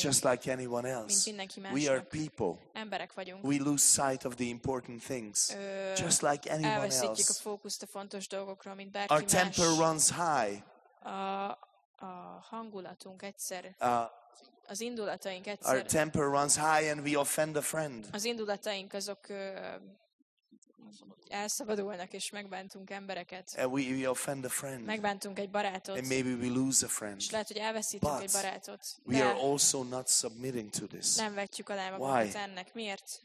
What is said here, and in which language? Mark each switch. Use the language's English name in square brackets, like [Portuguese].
[English] Just like anyone else. [Hungarian] Mint mindenki más. [English] We are people. [Hungarian] Emberek vagyunk. [English] We lose sight of the important things. Just like anyone else. [Hungarian] Elveszítjük a fókuszt a fontos dolgokról, mint bárki [English] más. Our temper runs high. [Hungarian] A hangulatunk egyszer. Az indulataink egyszer. [English] Our temper runs high and we offend a friend. [Hungarian] Az indulataink azok elszabadulnak és megbántunk embereket. [English] And we offend a friend. [Hungarian] Megbántunk egy barátot. [English] And maybe we lose a friend. [Hungarian] És lehet, hogy elveszítünk egy barátot. [English] We are also not submitting to this. [Hungarian] Nem vetjük alá magunkat ennek. Miért?